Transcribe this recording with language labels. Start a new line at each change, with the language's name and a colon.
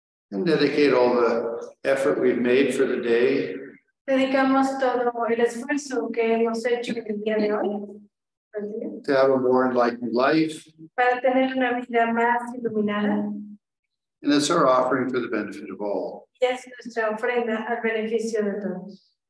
English: And dedicate all the effort we've made for the day.
Spanish: Dedicamos todo el esfuerzo que hemos hecho el día de hoy.
English: To have a more enlightened life.
Spanish: Para tener una vida más iluminada.
English: And it's our offering for the benefit of all.
Spanish: Y es nuestra ofrenda al beneficio de todos.